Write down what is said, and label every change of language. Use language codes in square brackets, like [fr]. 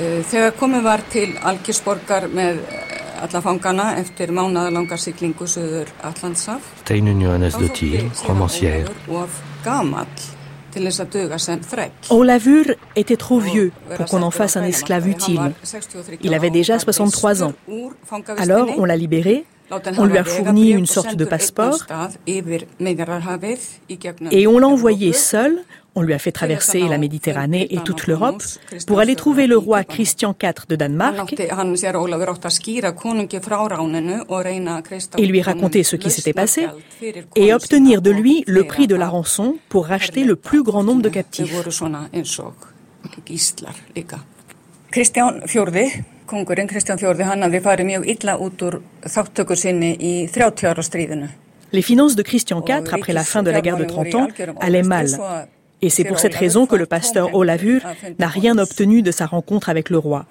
[is] Þegar komið var til Algeirsborgar með alla fangana eftir mánaðalanga siglingu suður Atlantshaf. [fr] Steinunn Jóhannes de Týr, romancier. [is] Of gamall til þess að duga sem þræll. [fr] Ólafur était trop vieux pour qu'on en fasse un esclave utile. Il avait déjà 63 ans. Alors on l'a libéré. On lui a fourni une sorte de passeport et on l'a envoyé seul, on lui a fait traverser la Méditerranée et toute l'Europe pour aller trouver le roi Christian IV de Danemark et lui raconter ce qui s'était passé et obtenir de lui le prix de la rançon pour racheter le plus grand nombre de captifs. Christian IV. [is] Kongurinn Kristján IV hann hafði farið mjög illa út úr þátttöku sinni í 30 ára stríðinu. [fr] Les finances de Christian IV après la fin de la guerre de 30 ans allaient mal. Et c'est pour cette raison que le pasteur Ólafur n'a rien obtenu de sa rencontre avec le roi.